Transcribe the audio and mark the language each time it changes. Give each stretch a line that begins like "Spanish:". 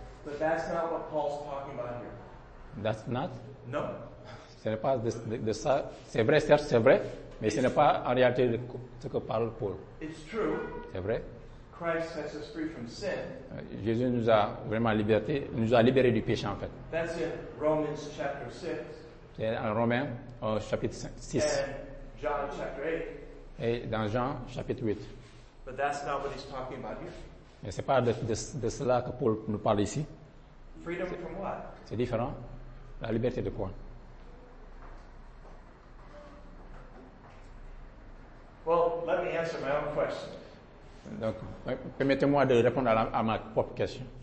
English: But that's not what Paul's talking about here. That's not? No.
French: Ce n'est pas de ça. C'est vrai, certes, c'est vrai. Mais ce n'est pas en réalité ce que parle Paul.
English: It's true.
French: C'est vrai.
English: Christ sets us free from sin.
French: Jésus nous a vraiment libérés du péché, en fait.
English: That's in Romans chapter 6.
French: C'est en Romains, au chapitre 6.
English: And John chapter 8.
French: Et dans Jean, chapitre 8.
English: But that's not what he's talking about here.
French: Mais ce n'est pas de cela que Paul nous parle ici.
English: Freedom from what?
French: C'est différent. La liberté de quoi?
English: Well, let me answer my own question.
French: Donc, permettez-moi de répondre à ma propre question.